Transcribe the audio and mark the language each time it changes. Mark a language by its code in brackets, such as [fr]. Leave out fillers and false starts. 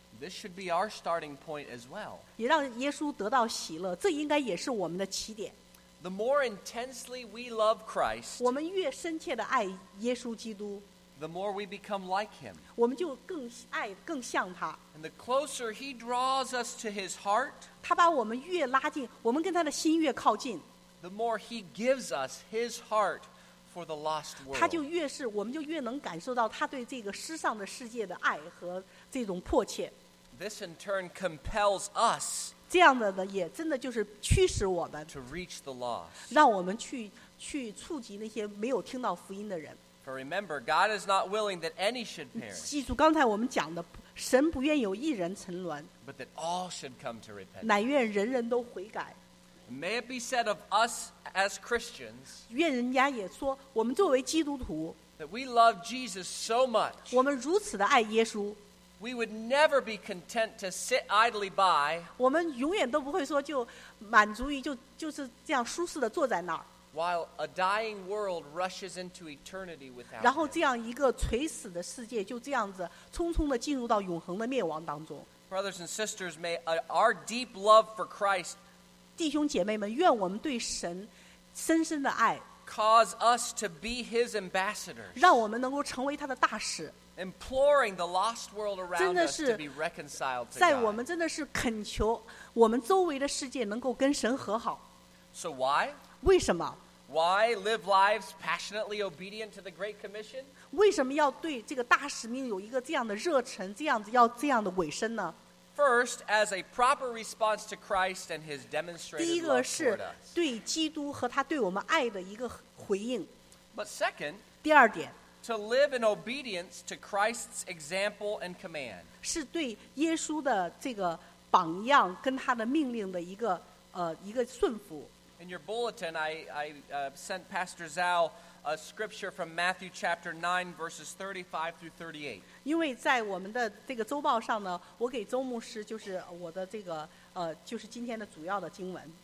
[en] This should be our starting point as well. [zh] 也让耶稣得到喜乐，这应该也是我们的起点。 [en] The more intensely we love Christ, [zh] 我们越深切地爱耶稣基督, [en] the more we become like him. [zh] 我们就更爱，更像他。 [en] And the closer he draws us to his heart, [zh] 他把我们越拉近，我们跟他的心越靠近。 [en] The more he gives us his heart for the lost world. [zh] 他就越是，我们就越能感受到他对这个失丧的世界的爱和这种迫切。 [en] This in turn compels us [zh] 这样的呢，也真的就是驱使我们 [en] to reach the lost [zh] 让我们去触及那些没有听到福音的人 [en] For remember, God is not willing that any should perish [zh] 记住刚才我们讲的神不愿有一人沉沦 [en] but that all should come to repentance. [zh] 乃愿人人都悔改 [en] May it be said of us as Christians. [zh] 愿人家也说我们作为基督徒 [en] that we love Jesus so much. [zh] 我们如此的爱耶稣 [en] we would never be content to sit idly by. [zh] 我们永远都不会说就满足于就是这样舒适的坐在那儿 [en] While a dying world rushes into eternity without, [zh] 然后这样一个垂死的世界就这样子匆匆地进入到永恒的灭亡当中。 [en] Brothers and sisters, may our deep love for Christ, [zh] 弟兄姐妹们，愿我们对神深深的爱 [en] cause us to be His ambassadors, [zh] 让我们能够成为他的大使。 [en] Imploring the lost world around us to be reconciled to God, [zh] 在我们真的是恳求我们周围的世界能够跟神和好。 [en] So why? [zh] 为什么 [en] Why live lives passionately obedient to the Great Commission? [zh] 为什么要对这个大使命有一个这样的热忱，这样子要这样的委身呢 [en] First, as a proper response to Christ and His demonstrated love toward us. [zh] 第一个是对基督和他对我们爱的一个回应。 [en] But second, [zh] 第二点 [en] to live in obedience to Christ's example and command. [zh] 是对耶稣的这个榜样跟他的命令的一个顺服。 [en] In your bulletin, I sent Pastor Zhao a scripture from Matthew chapter 9, verses 35 through 38. [zh] 因为在我们的这个周报上呢，我给周牧师就是我的这个就是今天的主要的经文。